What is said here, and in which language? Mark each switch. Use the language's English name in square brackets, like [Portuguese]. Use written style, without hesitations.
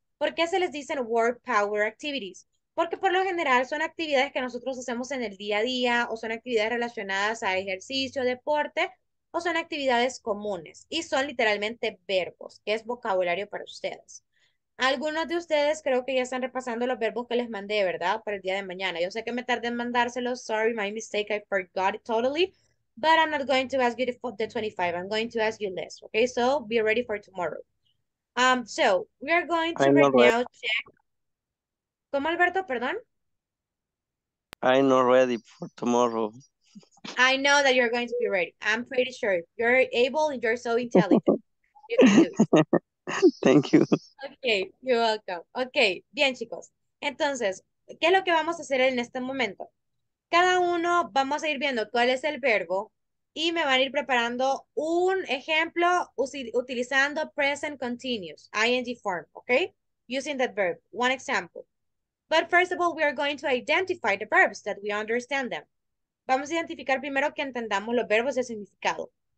[Spanish] ¿Por qué se les dicen word power activities? Porque por lo general son actividades que nosotros hacemos en el día a día o son actividades relacionadas a ejercicio, deporte, o son actividades comunes y son literalmente verbos, que es vocabulario para ustedes. Algunos de ustedes creo que ya están repasando los verbos que les mandé, ¿verdad? Para el día de mañana. Yo sé que me tardé en mandárselos. [English] Sorry, my mistake, I forgot it totally. But I'm not going to ask you the 25. I'm going to ask you less, okay? So, be ready for tomorrow. So, we are going to check. [Spanish] ¿Cómo, Alberto? Perdón. [English] I'm not ready for tomorrow. I know that you're going to be ready. I'm pretty sure. You're able and you're so intelligent. You can do. Thank you. Okay, you're welcome. Okay, [Spanish] bien, chicos. Entonces, ¿qué es lo que vamos a hacer en este momento? Cada uno vamos a ir viendo cuál es el verbo y me van a ir preparando un ejemplo utilizando present continuous, ING form, okay? [English] Using that verb, one example. But first of all, we are going to identify the verbs that we understand them. [Spanish] Vamos a identificar primero que entendamos los verbos y el significado.